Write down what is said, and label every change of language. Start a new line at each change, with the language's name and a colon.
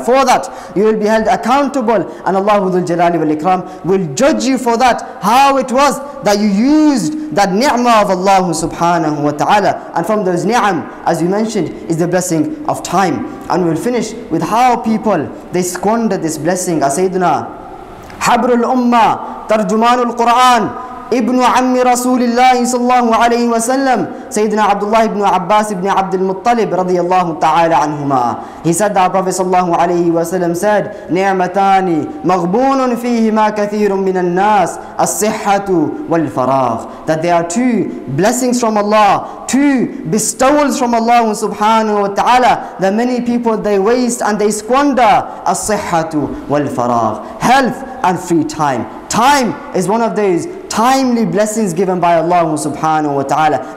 English: For that, you will be held accountable, and Allah Dhul Jalali wal Ikram will judge you for that, how it was that you used that ni'mah of Allah subhanahu wa ta'ala. And from those ni'am, as you mentioned, is the blessing of time. And we'll finish with how people, they squandered this blessing.
Arabic: As Sayyidina Habrul Ummah, Tarjumanul Quran, ابن عم رسول الله صلى الله عليه وسلم سيدنا عبد الله بن عباس بن عبد المطلب رضي الله تعالى عنهما.
English: He said that Prophet
Arabic: صلى الله عليه وسلم
English: said,
Arabic: نعمتان مغبون فيهما كثير من الناس الصحة والفراغ.
English: That there are two blessings from Allah, two bestowals from Allah subhanahu wa ta'ala, that many people they waste and they squander.
Arabic: الصحة والفراغ,
English: health and free time. Time is one of those timely blessings given by Allah subhanahu wa ta'ala.